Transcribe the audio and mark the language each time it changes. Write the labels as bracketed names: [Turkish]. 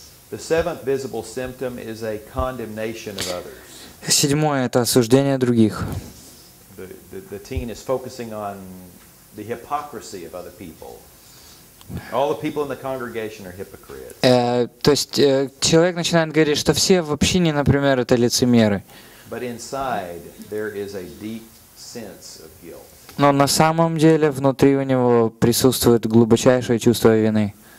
[English] The seventh visible symptom is a condemnation of others. [Russian] Седьмое — это осуждение других. [English] The teen is focusing on the hypocrisy of other people. All the people in the congregation are hypocrites. [Russian] То есть человек начинает говорить, что все в общине, например, это лицемеры. [English] But inside there is a deep sense of guilt. [Russian] Но на самом деле внутри у него присутствует глубочайшее чувство вины.